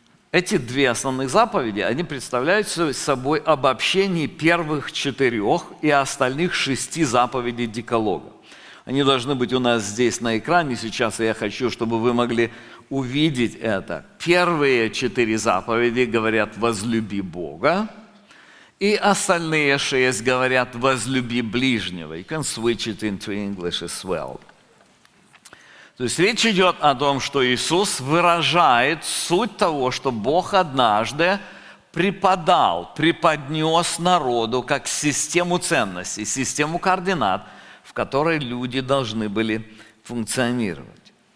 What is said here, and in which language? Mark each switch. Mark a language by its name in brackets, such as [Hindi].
[Russian] Эти две основных заповеди, они представляют собой обобщение первых четырех и остальных шести заповедей Деколога. Они должны быть у нас здесь на экране сейчас, и я хочу, чтобы вы могли увидеть это. Первые четыре заповеди говорят «возлюби Бога», и остальные шесть говорят «возлюби ближнего». [English] You can switch it into English as well. [Russian] То есть речь идет о том, что Иисус выражает суть того, что Бог однажды преподал, преподнес народу как систему ценностей, систему координат, в которой люди должны были функционировать.